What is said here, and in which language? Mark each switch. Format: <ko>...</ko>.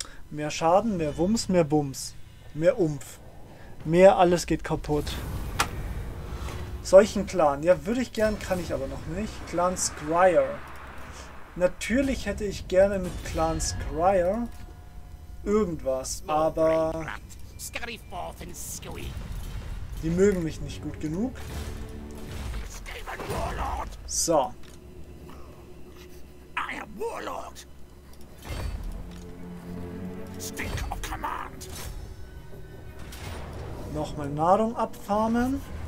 <de>Mehr Schaden, mehr Wumms, mehr Bums. Mehr Umpf. Mehr alles geht kaputt. Solchen Clan. Ja, würde ich gern, kann ich aber noch nicht. Clan Squire. Natürlich hätte ich gerne mit Clan Squire... irgendwas, aber</de> <en>scurry forth and scurry.</en> <de>Die mögen mich nicht gut genug. Steven Warlord. So.</de> <en>I am Warlord. Stick of command.</en> <de>Nochmal Nahrung abfarmen.</de>